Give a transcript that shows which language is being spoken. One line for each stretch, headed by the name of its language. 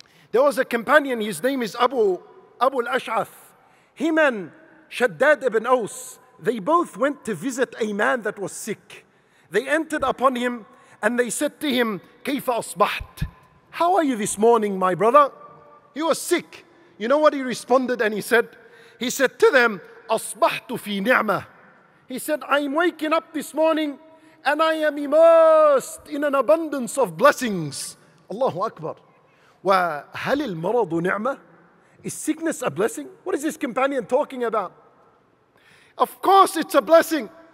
English: There was a companion, his name is Abu al-Ash'ath. Him and Shaddad ibn Aus, they both went to visit a man that was sick. They entered upon him and they said to him,
Arabic: كيف أصبحت?
English: How are you this morning, my brother? He was sick. You know what he responded and he said?
Arabic: He said to them, أصبحت في نعمة.
English: He said, I'm waking up this morning and I am immersed in an abundance of blessings.
Arabic: Allahu Akbar. وهل المرض نعمة?
English: Is sickness a blessing? What is this companion talking about? Of course it's a blessing.